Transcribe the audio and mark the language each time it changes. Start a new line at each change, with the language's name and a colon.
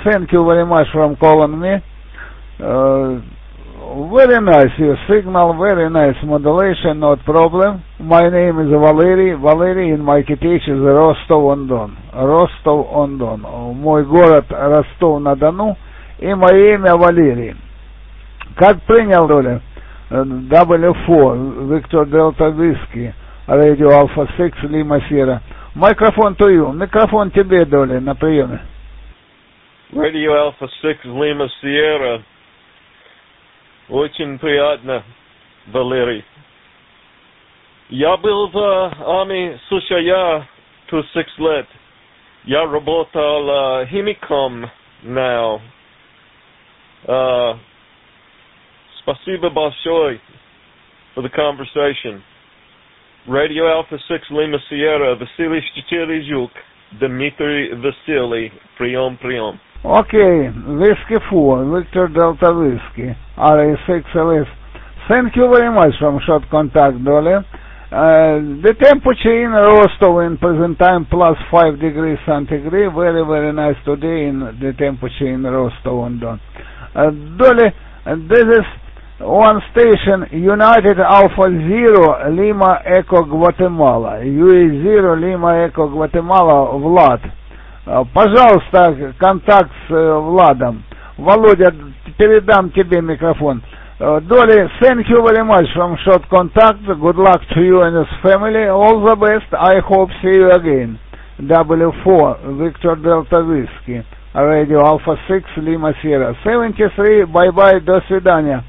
English: Thank you very much from calling me. Very nice, your signal, very nice modulation, not problem. My name is Valery, Valery in my KTH is Rostov-on-Don. Rostov-on-Don.
Russian: Мой город Ростов-на-Дону, и мое имя Валерий. Как принял,
English: Доля? W4, Victor Delta Whiskey, Radio Alpha 6, Lima Sierra. Microphone to you.
Russian: Микрофон тебе, Доля, на приеме. Radio Alpha 6, Lima Sierra. Очень приятно, Валерий. Я был в армии США 26 лет. Я работал химиком
English: now.
Russian: Спасибо большое
English: for the conversation.
Russian: Radio Alpha 6 Lima Sierra, Василий Штетири Жук, Дмитрий Василий, прием, прием. Окей, виски фу, Виктор Дельта виски, RA6LS.
English: Thank you very much from short contact, Dolly. The temperature in Rostov in present time plus 5 degrees centigrade. Very, very nice today in the temperature in Rostov and Don. Dolly, this is one station, United Alpha Zero, Lima Echo Guatemala. UA Zero, Lima Echo Guatemala, Vlad.
Russian: Пожалуйста, контакт с Владом. Володя, передам тебе микрофон.
English: Доли, thank you very much from short contact. Good luck to you and his family. All the best. I hope see you again. W4, Victor Delta Whiskey. Radio Alpha 6, Lima Sierra 73, bye-bye,
Russian: до свидания.